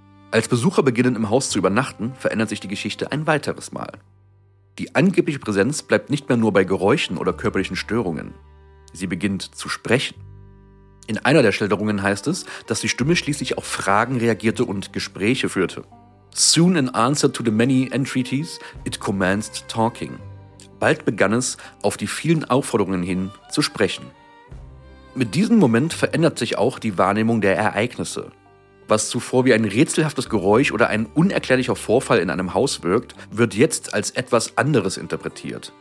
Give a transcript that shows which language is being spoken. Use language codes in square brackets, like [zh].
[de] Als Besucher beginnen im Haus zu übernachten, verändert sich die Geschichte ein weiteres Mal. Die angebliche Präsenz bleibt nicht mehr nur bei Geräuschen oder körperlichen Störungen. Sie beginnt zu sprechen. In einer der Schilderungen heißt es, dass die Stimme schließlich auf Fragen reagierte und Gespräche führte. [en] Soon in answer to the many entreaties, it commenced talking. [de] Bald begann es, auf die vielen Aufforderungen hin zu sprechen. Mit diesem Moment verändert sich auch die Wahrnehmung der Ereignisse. Was zuvor wie ein rätselhaftes Geräusch oder ein unerklärlicher Vorfall in einem Haus wirkt, wird jetzt als etwas anderes interpretiert.